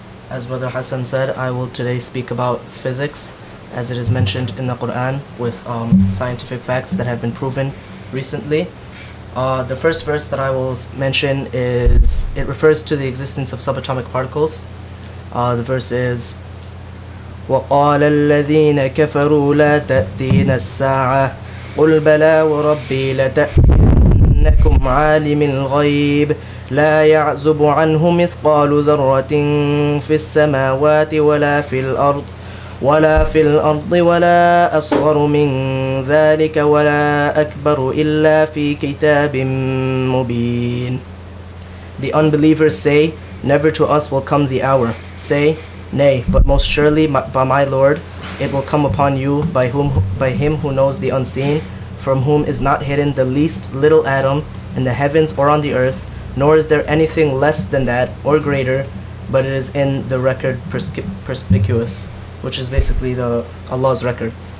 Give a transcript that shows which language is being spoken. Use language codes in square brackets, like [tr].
[en] As Brother Hassan said, I will today speak about physics, as it is mentioned in the Quran, with scientific facts that have been proven recently. The first verse that I will mention is, it refers to the existence of subatomic particles. [ar] The verse is, وَقَالَ الَّذِينَ كَفَرُوا لَا تَأْتِينَ السَّاعَةِ قُلْ بَلَا وَرَبِّي لَتَأْتِينَكُمْ عَالِمِ الْغَيْبِ لا يعزب عنه مثقال ذرة في السماوات ولا في الأرض ولا في الأرض ولا أصغر من ذلك ولا أكبر إلا في كتاب مبين. [en] The unbelievers say, never to us will come the hour. Say, nay, but most surely by my Lord, it will come upon you by him who knows the unseen, from whom is not hidden the least little atom in the heavens or on the earth, nor is there anything less than that or greater, but it is in the record perspicuous, which is basically the Allah's record.